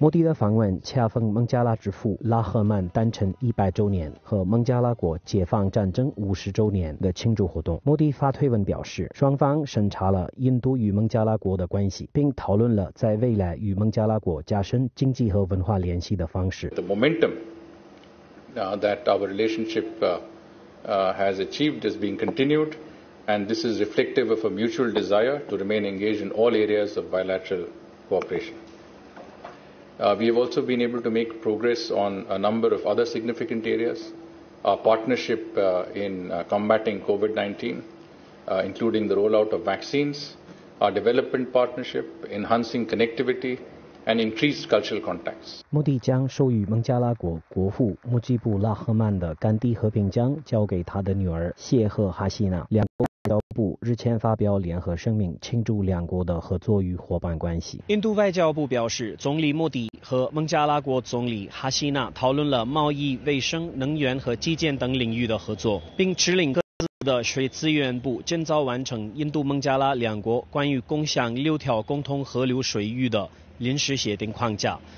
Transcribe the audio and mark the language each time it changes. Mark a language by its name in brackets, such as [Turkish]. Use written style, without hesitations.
[Chinese] 莫迪的访问恰逢孟加拉之父拉赫曼诞辰100周年和孟加拉国解放战争50周年的庆祝活动。莫迪发推文表示，双方审查了印度与孟加拉国的关系，并讨论了在未来与孟加拉国加深经济和文化联系的方式。 [English] The momentum that our relationship has achieved is being continued, and this is reflective of a mutual desire to remain engaged in all areas of bilateral cooperation. We have also been able to make progress on a number of other significant areas. Our partnership in combating COVID-19, including the rollout of vaccines, our development partnership, enhancing connectivity. And increased cultural contacts. [Chinese] 莫迪将授予孟加拉国国父穆吉布拉赫曼的甘地和平奖交给他的女儿谢赫哈希纳。两国外交部日前发表联合声明，庆祝两国的合作与伙伴关系。印度外交部表示，总理莫迪和孟加拉国总理哈希纳讨论了贸易、卫生、能源和基建等领域的合作，并指令各自的水资源部建造完成印度孟加拉两国关于共享6条共同河流水域的临时协定框架。